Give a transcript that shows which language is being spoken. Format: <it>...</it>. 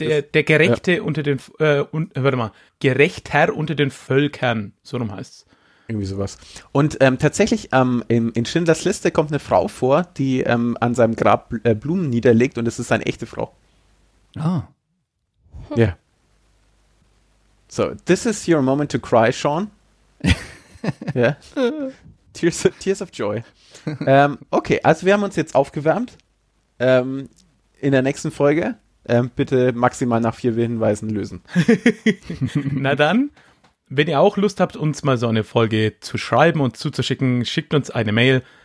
<de>Der Gerechte unter den, Gerechter unter den Völkern, so rum heißt es. Irgendwie sowas. Und tatsächlich, in Schindlers Liste kommt eine Frau vor, die an seinem Grab Blumen niederlegt und es ist eine echte Frau. Ah. Ja.</de> <en>So, this is your moment to cry, Sean.</en> <de>Ja.</de> <en>Tears of Joy.</en> <de>Okay, also wir haben uns jetzt aufgewärmt. In der nächsten Folge bitte maximal nach 4 Hinweisen lösen. Na dann, wenn ihr auch Lust habt, uns mal so eine Folge zu schreiben und zuzuschicken, schickt uns eine Mail.</de>